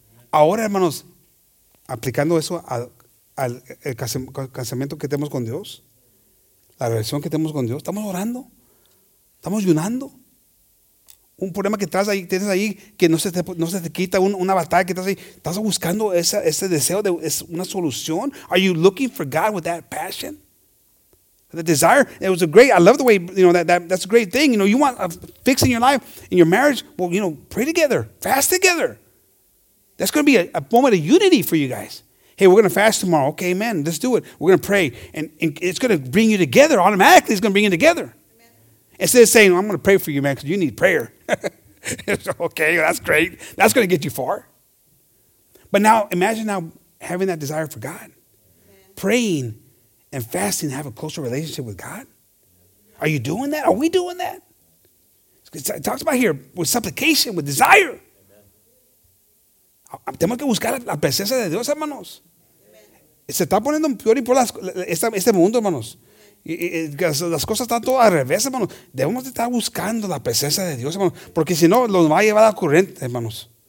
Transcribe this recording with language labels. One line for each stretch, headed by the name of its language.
Spanish: Ahora, hermanos, aplicando eso al casamiento que tenemos con Dios, la relación que tenemos con Dios, estamos orando, estamos ayunando. Un problema que estás ahí, tienes ahí, que no se te quita, una batalla que estás ahí, estás buscando ese deseo de una solución.
English: Are you looking for God with that passion? The desire, it was a great, I love the way, you know, that's a great thing. You know, you want a fix in your life, in your marriage, well, you know, pray together, fast together. That's going to be a moment of unity for you guys. Hey, we're going to fast tomorrow. Okay, amen. Let's do it. We're going to pray. And it's going to bring you together. Automatically, it's going to bring you together. Amen. Instead of saying, I'm going to pray for you, man, because you need prayer. Okay, that's great. That's going to get you far. But now, imagine now having that desire for God. Amen. Praying and fasting to have a closer relationship with God. Are you doing that? Are we doing that? It talks about here with supplication, with desire.
Spanish: Tenemos que buscar la presencia de Dios, hermanos. Se está poniendo peor y peor este mundo, hermanos. Las cosas están todas al revés, hermanos. Debemos de estar buscando la presencia de Dios, hermanos. Porque si no, nos va a llevar a la corriente, hermanos.